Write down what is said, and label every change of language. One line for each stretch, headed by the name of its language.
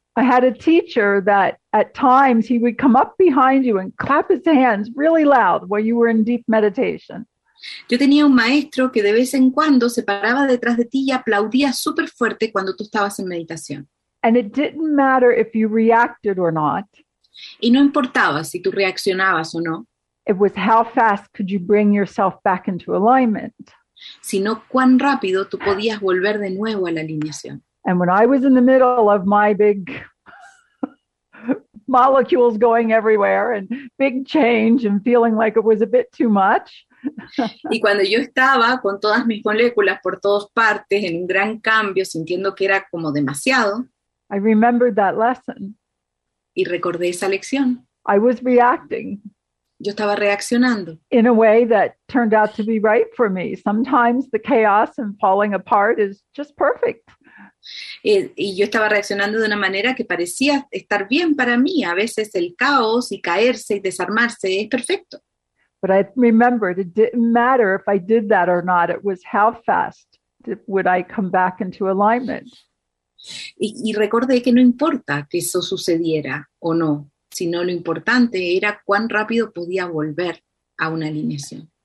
English: I had a teacher that at times he would come up behind you and clap his hands really loud while you were in deep meditation.
Spanish: Yo tenía un maestro que de vez en cuando se paraba detrás de ti y aplaudía súper fuerte cuando tú estabas en meditación.
English: And it didn't matter if you reacted or not.
Spanish: Y no importaba si tú reaccionabas o no.
English: It was how fast could you bring yourself back into alignment.
Spanish: Sino cuán rápido tú podías volver de nuevo a la alineación.
English: And when I was in the middle of my big molecules going everywhere and big change and feeling like it was a bit too much.
Spanish: Y cuando yo estaba con todas mis moléculas por todas partes en un gran cambio, sintiendo que era como demasiado.
English: I remembered that lesson.
Spanish: Y recordé esa lección.
English: I was reacting.
Spanish: Yo estaba reaccionando.
English: In a way that turned out to be right for me. Sometimes the chaos and falling apart is just perfect.
Spanish: Y yo estaba reaccionando de una manera que parecía estar bien para mí. A veces el caos y caerse y desarmarse es perfecto.
English: But I remembered it didn't matter if I did that or not. It was how fast would I come back into alignment.
Spanish: Y recordé que no importa que eso sucediera o no, sino lo importante era cuán rápido podía volver a una alineación.